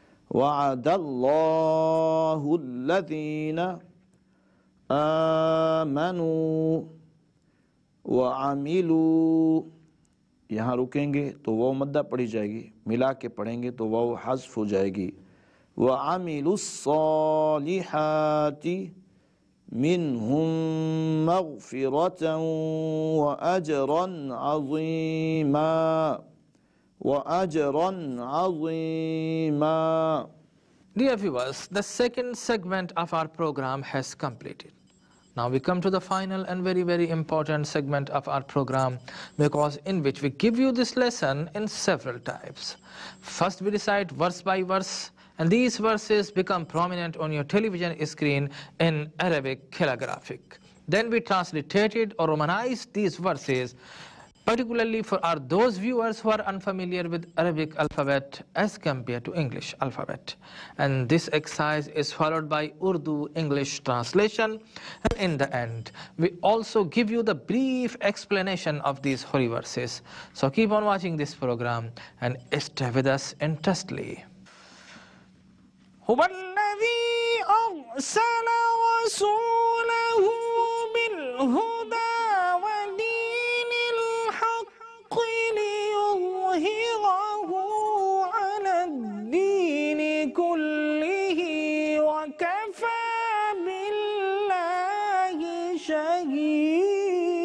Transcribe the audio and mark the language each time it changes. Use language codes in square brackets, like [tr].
[ar] وعد اللہ الذین آمنوا وعملوا. [ur] یہاں رکیں گے تو وہ مدہ پڑھی جائے گی، ملا کے پڑھیں گے تو وہ حذف ہو جائے گی. [ar] وعملوا الصالحات منهم مغفرة وأجرا عظيما وأجرا عظيما. [en] Dear viewers, the second segment of our program has completed. Now we come to the final and very, very important segment of our program, because in which we give you this lesson in several types. First, we recite verse by verse, and these verses become prominent on your television screen in Arabic calligraphic. Then we translated or romanized these verses, particularly for our those viewers who are unfamiliar with Arabic alphabet as compared to English alphabet. And this exercise is followed by Urdu English translation. And in the end, we also give you the brief explanation of these holy verses. So keep on watching this program and stay with us intensely. [ar] هو الذي أرسل رسوله بالهدى ودين الحق ليظهره على الدين كله وكفى بالله شهيدا.